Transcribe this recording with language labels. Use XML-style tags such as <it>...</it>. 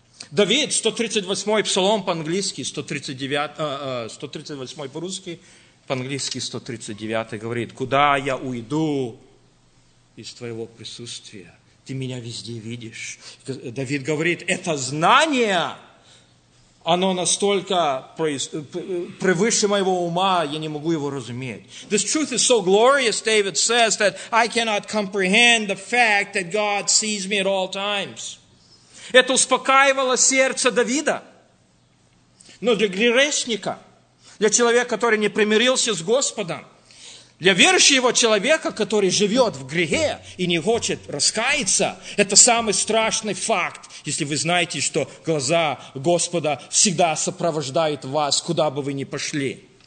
<ru>Давид, 138-й псалом по-английски, 138-й по-русски, по-английски 139-й говорит, «Куда я уйду из твоего присутствия? Ты меня везде видишь». Давид говорит, «Это знание». Оно настолько превыше моего ума, я не могу его разуметь.</ru> <en>This truth is so glorious, David says, that I cannot comprehend the fact that God sees me at all times.</en> <ru>Это успокаивало сердце Давида. Но для грешника, для человека, который не примирился с Господом, для верующего человека, который живет в грехе и не хочет раскаяться, это самый страшный факт, если вы знаете, что глаза Господа всегда сопровождают вас, куда бы вы ни пошли.</ru>